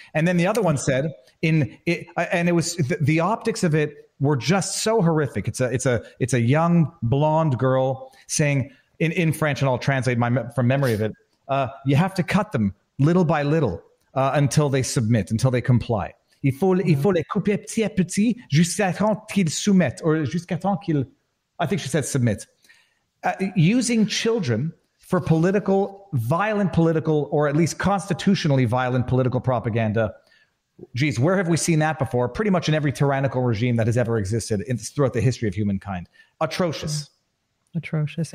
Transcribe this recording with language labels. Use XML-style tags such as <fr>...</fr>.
<en>And then the other one said the optics of it were just so horrific. It's a young blonde girl saying in French, and I'll translate from memory of it. You have to cut them little by little until they submit, until they comply.</en> <fr>Il faut les couper petit à petit jusqu'à temps qu'ils soumettent, or jusqu'à temps qu'ils,</fr> <en>I think she said submit. Using children for political, violent political, or at least constitutionally violent political propaganda. Geez, where have we seen that before? Pretty much in every tyrannical regime that has ever existed throughout the history of humankind. Atrocious. Mm-hmm. Atrocious.</en>